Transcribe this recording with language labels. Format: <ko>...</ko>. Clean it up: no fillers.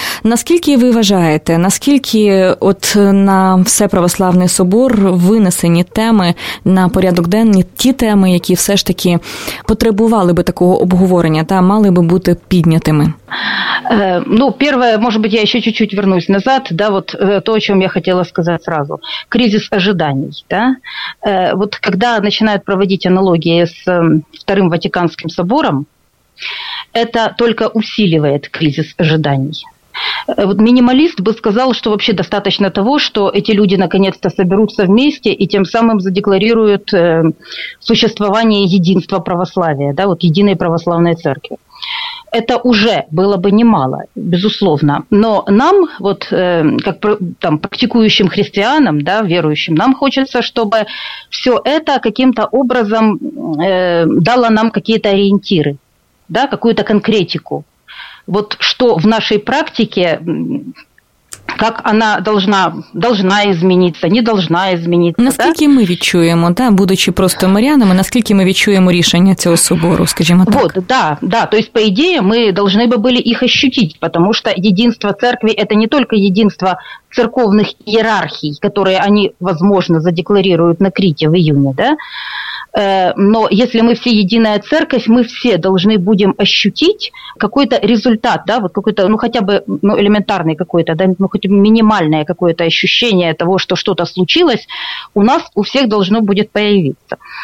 <uk>Наскільки ви вважаєте, наскільки от на Всеправославний собор винесені теми на порядок денний, ті теми, які все ж таки потребували би такого обговорення та мали би бути піднятими? Ну, перше, може би, я ще чуть-чуть вернусь назад, да, от то, о чому я хотіла сказати зразу.</uk> <ru>Кризис ожиданий, да? Вот когда начинают проводить аналогии с Вторым Ватиканским собором, это только усиливает кризис ожиданий. Вот минималист бы сказал, что вообще достаточно того, что эти люди наконец-то соберутся вместе и тем самым задекларируют существование единства православия, да, вот единой православной церкви. Это уже было бы немало, безусловно. Но нам, вот, как там, практикующим христианам, да, верующим, нам хочется, чтобы все это каким-то образом дало нам какие-то ориентиры, да, какую-то конкретику. Вот что в нашей практике, как она должна измениться, не должна измениться.</ru> <uk>Наскільки,</uk> <ru>да?</ru> <uk>Ми відчуємо, да, будучи просто мирянами, наскільки ми відчуємо рішення цього собору, скажімо так?</uk> <ru>Вот, да, да. То есть, по идее, мы должны бы были их ощутить, потому что единство церкви – это не только единство церковных иерархий, которые они, возможно, задекларируют на Крите в июне, да? Но если мы все единая церковь, мы все должны будем ощутить какой-то результат, да, вот какой-то, ну, хотя бы, ну, элементарный какой-то, да, ну, хотя бы минимальное какое-то ощущение того, что что-то случилось, у нас у всех должно будет появиться.</ru>